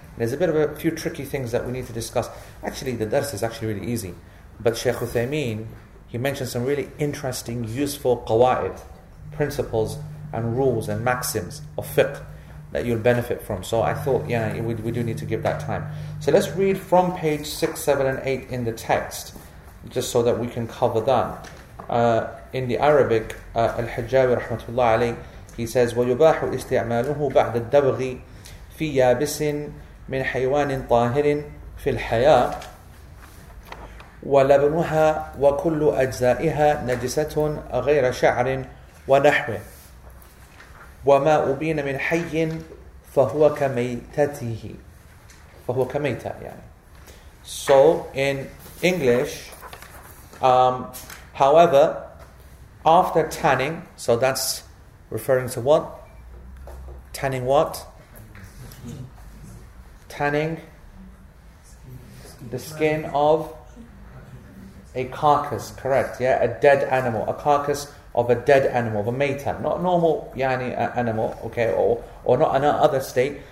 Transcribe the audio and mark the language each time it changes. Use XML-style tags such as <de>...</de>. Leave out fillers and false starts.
<en>There's a bit of a few tricky things that we need to discuss. Actually, the dars is actually really easy, but Sheikh Uthaymeen, he mentioned some really interesting, useful qawaid, principles and rules and maxims of fiqh that you'll benefit from. So I thought, yeah, we do need to give that time. So let's read from page 6, 7 and 8 in the text, just so that we can cover that. In the Arabic, Al-Hajjawi rahmatullah alayhi, he says,</en> <ar>وَيُبَاحُ إِسْتِعْمَالُهُ بَعْدَ الدَّبْغِي فِي يَابِسٍ مِنْ حَيْوَانٍ طَاهِرٍ فِي الْحَيَاءِ ولبنها وكل أجزائها نجسة غير شعر ونحوه وما أبين من حي فهو كميتته فهو كميتة يعني.</ar> <en>So in English, however, after tanning, so that's referring to what? Tanning what? Tanning the skin of a carcass, correct, yeah, a dead animal, a carcass of a dead animal, of a meita, not normal yani animal, okay, or not another state.</en>